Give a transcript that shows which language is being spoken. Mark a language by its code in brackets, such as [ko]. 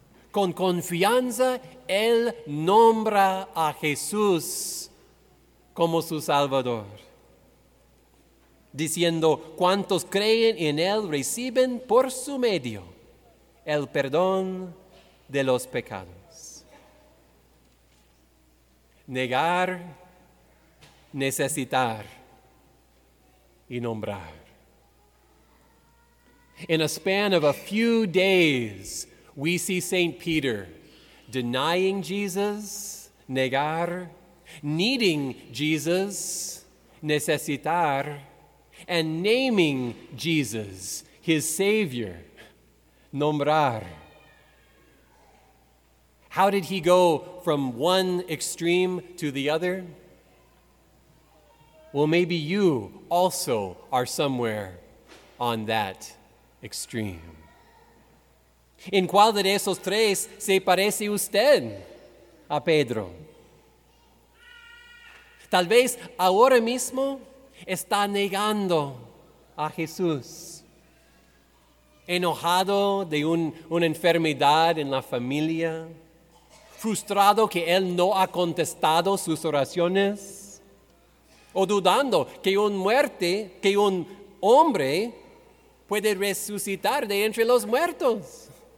[es] Con confianza, él nombra a Jesús como su Salvador, diciendo: cuantos creen en él reciben por su medio el perdón de los pecados. Negar, necesitar y nombrar. [en] In a span of a few days, we see St. Peter denying Jesus, negar, needing Jesus, necesitar, and naming Jesus, his Savior, nombrar. How did he go from one extreme to the other? Well, maybe you also are somewhere on that extreme. [es] ¿En cuál de esos tres se parece usted a Pedro? Tal vez ahora mismo está negando a Jesús, enojado de una enfermedad en la familia, frustrado que él no ha contestado sus oraciones, o dudando que un hombre puede resucitar de entre los muertos.